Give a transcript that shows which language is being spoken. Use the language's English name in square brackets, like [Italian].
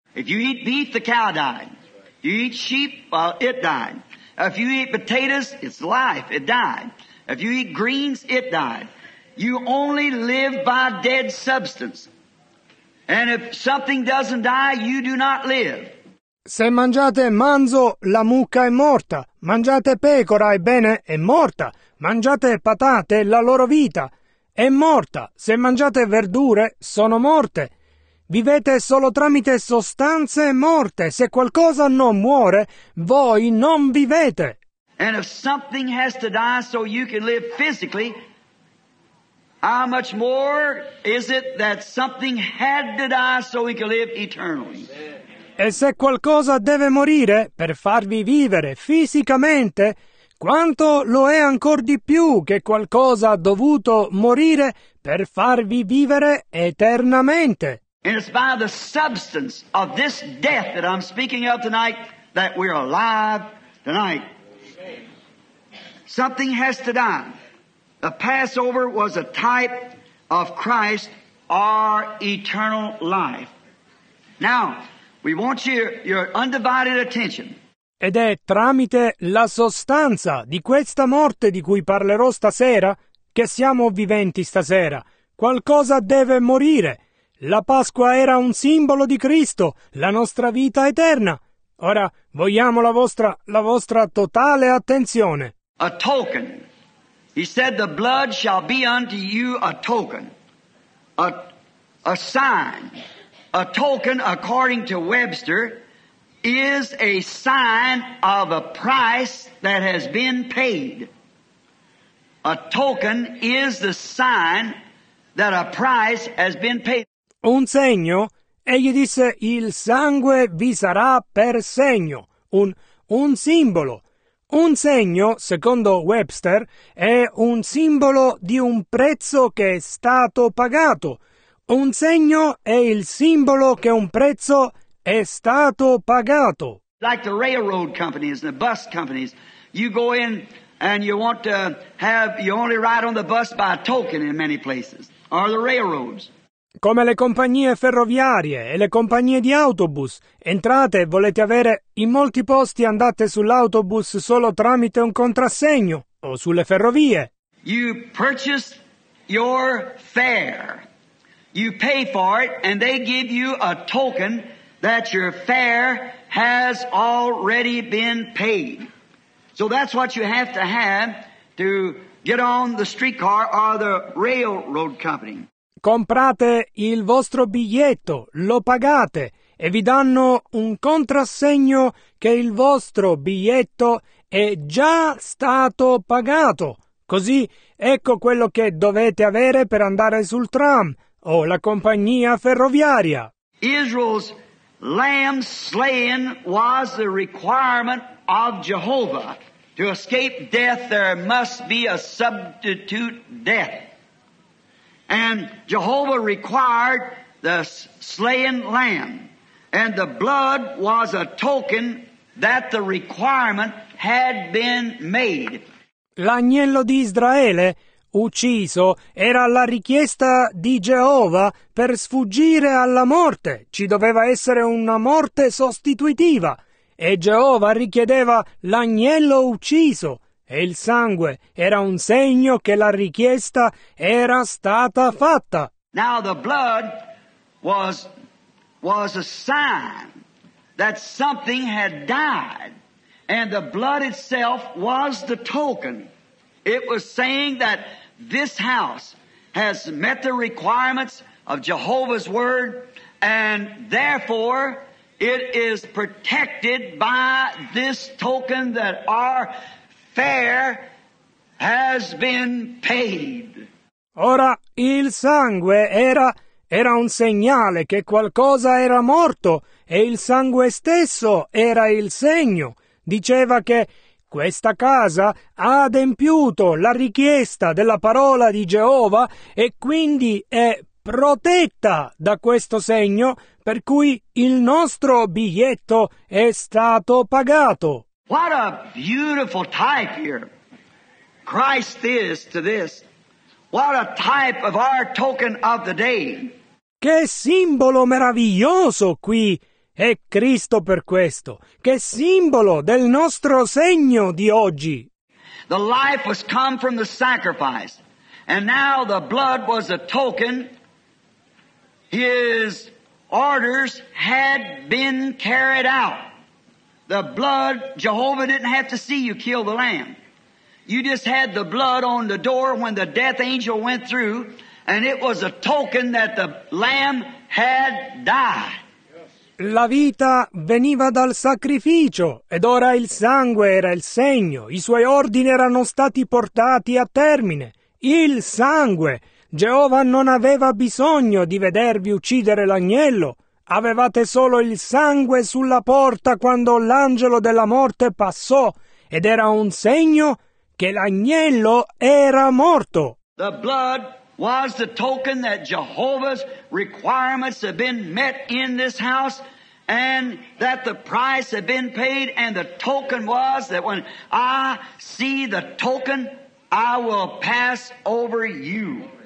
[English] If you eat beef, the cow died. If you eat sheep, it died. If you eat potatoes, it's life, it died. If you eat greens, it died. You only live by dead substance. And if something doesn't die, you do not live. [Italian] Se mangiate manzo, la mucca è morta. Mangiate pecora, ebbene, è morta. Mangiate patate, la loro vita è morta. Se mangiate verdure, sono morte. Vivete solo tramite sostanze morte. Se qualcosa non muore, voi non vivete. [English] And if something has to die so you can live physically, how much more is it that something had to die so we could live eternally? [Italian] E se qualcosa deve morire per farvi vivere fisicamente, quanto lo è ancor di più che qualcosa ha dovuto morire per farvi vivere eternamente? [English] And it's by the substance of this death that I'm speaking of tonight that we're alive tonight. Something has to die. The Passover was a type of Christ, our eternal life. Now, we want your undivided attention. [Italian] Ed è tramite la sostanza di questa morte di cui parlerò stasera che siamo viventi stasera. Qualcosa deve morire. La Pasqua era un simbolo di Cristo, la nostra vita eterna. Ora vogliamo la vostra totale attenzione. [English] A token. He said the blood shall be unto you a token. A sign. A token, according to Webster, is a sign of a price that has been paid. A token is the sign that a price has been paid. [Italian] Un segno, egli disse, il sangue vi sarà per segno, un simbolo. Un segno, secondo Webster, è un simbolo di un prezzo che è stato pagato. Un segno è il simbolo che un prezzo è stato pagato. [English] Like the railroad companies, the bus companies, you go in and you want to have, you only ride on the bus by a token in many places, or the railroads. [Italian] Come le compagnie ferroviarie e le compagnie di autobus. Entrate, volete avere in molti posti, andate sull'autobus solo tramite un contrassegno o sulle ferrovie. [English] You purchase your fare. You pay for it and they give you a token that your fare has already been paid. So that's what you have to get on the streetcar or the railroad company. [Italian] Comprate il vostro biglietto, lo pagate e vi danno un contrassegno che il vostro biglietto è già stato pagato. Così ecco quello che dovete avere per andare sul tram o la compagnia ferroviaria. [English] Israel's lamb slain was the requirement of Jehovah. To escape death there must be a substitute death. And Jehovah required the slain lamb. And the blood was a token that the requirement had been made. [Italian] L'agnello di Israele ucciso era la richiesta di Geova per sfuggire alla morte. Ci doveva essere una morte sostitutiva. E Geova richiedeva l'agnello ucciso. E il sangue era un segno che la richiesta era stata fatta. [English] Now the blood was a sign that something had died. And the blood itself was the token. It was saying that this house has met the requirements of Jehovah's word. And therefore it is protected by this token that our fare has been paid. [Italian] Ora il sangue era un segnale che qualcosa era morto e il sangue stesso era il segno. Diceva che questa casa ha adempiuto la richiesta della parola di Geova e quindi è protetta da questo segno, per cui il nostro biglietto è stato pagato. [English] What a beautiful type here Christ is to this. What a type of our token of the day. [Italian] Che simbolo meraviglioso qui è Cristo per questo. Che simbolo del nostro segno di oggi. [English] The life was come from the sacrifice. And now the blood was a token. His orders had been carried out. The blood, Jehovah didn't have to see you kill the lamb. You just had the blood on the door when the death angel went through, and it was a token that the lamb had died. Yes. [Italian] La vita veniva dal sacrificio, ed ora il sangue era il segno, i suoi ordini erano stati portati a termine. Il sangue! Geova non aveva bisogno di vedervi uccidere l'agnello. Avevate solo il sangue sulla porta quando l'angelo della morte passò, ed era un segno che l'agnello era morto. [English] The blood was the token that Jehovah's requirements had been met in this house, and that the price had been paid, and the token was that when I see the token, I will pass over you.